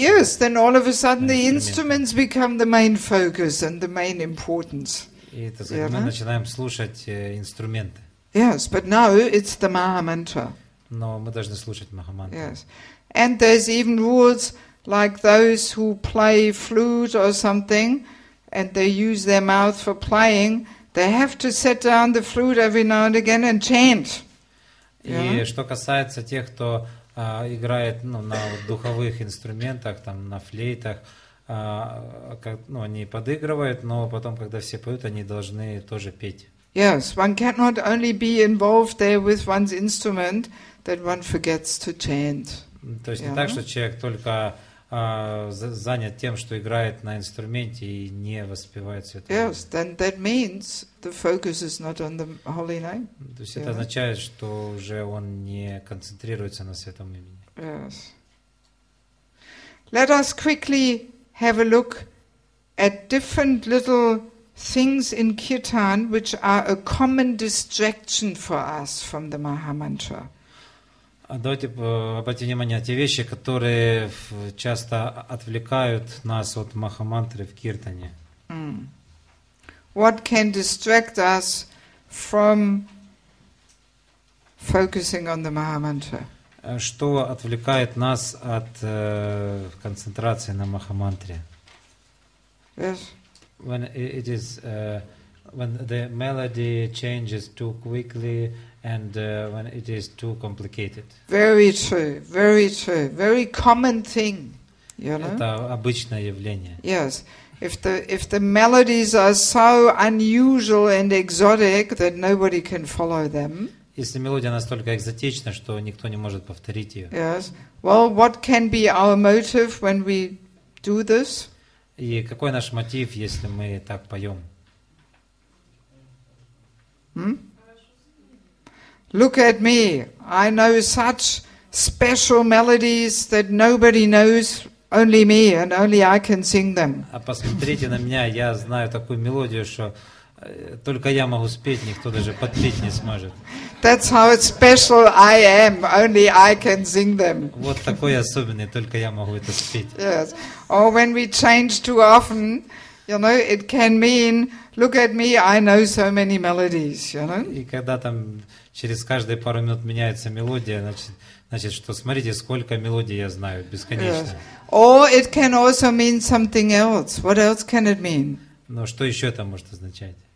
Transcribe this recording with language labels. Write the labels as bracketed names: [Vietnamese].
[English] Yes, then all of a sudden the instruments become the main focus and the main importance. [Russian] И тогда мы начинаем слушать инструменты. [English] Yes, but no, it's the Mahamantra. [Russian] Но мы должны слушать Махамантру. [English] Yes. And there's even rules like those who play flute or something, and they use their mouth for playing, they have to set down the flute every now and again and chant. [Russian] И что касается тех, кто играет на духовых инструментах, там на флейтах, они подыгрывают, но потом, когда все поют, они должны тоже петь. [English] Yes, one cannot only be involved there with one's instrument that one forgets to chant. [Russian] То есть не так, что человек только занят тем, что играет на инструменте и не воспевает святое. [English] Yes, then that means the focus is not on the holy name. [Russian] То есть это означает, что уже он не концентрируется на святом имени. [English] Yes. Let us quickly have a look at different little things in Kirtan which are a common distraction for us from the Mahamantra. [Russian] Давайте обратим внимание на те вещи, которые часто отвлекают нас от Махамантры в Киртане. [English] What can distract us from focusing on the Mahamantra? [Russian] Что отвлекает нас от концентрации на Махамантре? [English] Yes. When it is when the melody changes too quickly and when it is too complicated. Very true, very true. Very common thing, you know? [Russian] Это обычное явление. [English] Yes. If the melodies are so unusual and exotic that nobody can follow them. [Russian] Если мелодия настолько экзотична, что никто не может повторить ее. [English] Yes. Well, what can be our motive when we do this? [Russian] И какой наш мотив, если мы так поем? [English] Look at me. I know such special melodies that nobody knows, only me, and only I can sing them. [Russian] А посмотрите на меня, я знаю такую мелодию, что только я могу спеть, никто даже подпеть не сможет. [English] That's how special I am, only I can sing them. [Russian] Вот такой особенный, только я могу это спеть. [English] Yes. Or when we change too often, you know, it can mean, look at me, I know so many melodies, you know. [Russian] И когда там через каждые пару минут меняется мелодия, значит, что смотрите, сколько мелодий я знаю, бесконечно. [English] Yes. Or it can also mean something else. What else can it mean? [Russian] Но что еще это может означать?